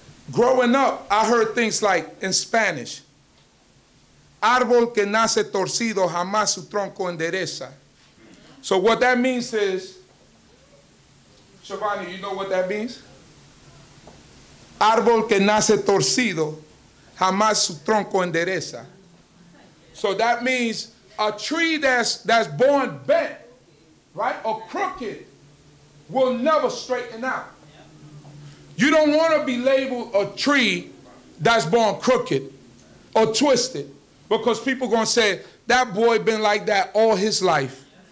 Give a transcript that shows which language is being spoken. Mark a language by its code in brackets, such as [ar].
[en] Growing up, I heard things like in Spanish, [es] árbol que nace torcido jamás su tronco endereza. [en] So what that means is, Shavani, you know what that means? [es] Árbol que nace torcido, jamás su tronco endereza. [en] So that means a tree that's born bent, right, or crooked, will never straighten out. You don't want to be labeled a tree that's born crooked or twisted, because people are going to say, that boy been like that all his life.